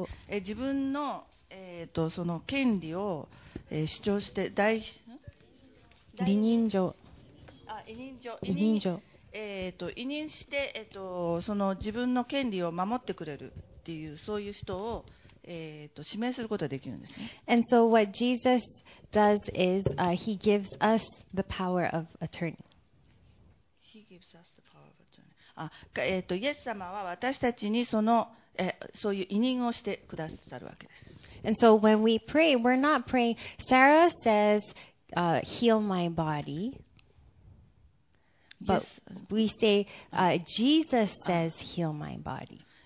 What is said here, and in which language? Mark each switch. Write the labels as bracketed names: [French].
[Japanese] 自分の、その権利を、主張して代理人状。委任状。委任して、その自分の権利を守ってくれるっていうそういう人を、指名することができるんですね。 [English] And so what Jesus does is, he gives us the power of attorney. He gives us the power of attorney. [Japanese] イエス様は私たちにその、そういう委任をしてくださるわけです。 [English] And so when we pray, we're not praying. Sarah says, heal my body. But we say, Jesus says, heal my body.